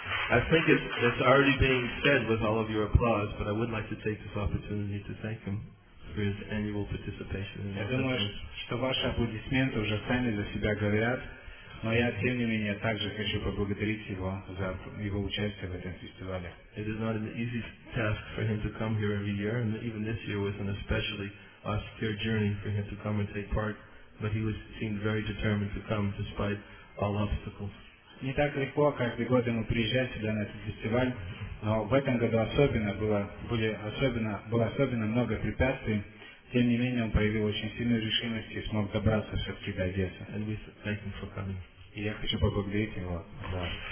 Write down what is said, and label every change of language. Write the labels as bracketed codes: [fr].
[en] I think it's already being said with all of your applause, but I would like to take this opportunity to thank him for his annual participation. [ru] Я думаю, что ваши аплодисменты уже сами за себя говорят, но я тем не менее также хочу поблагодарить его за его участие в этом фестивале. [en] It is not an easy task for him to come here every year, and even this year was an especially austere journey for him to come and take part. But he seemed very determined to come despite all obstacles. [ru] Не так легко, как и год ему приезжать сюда на этот фестиваль, но в этом году особенно было особенно много препятствий. Тем не менее, он проявил очень сильную решимость и смог добраться все-таки до Одессы. [en] And we thank him for coming. [ru] И я хочу поблагодарить его за это.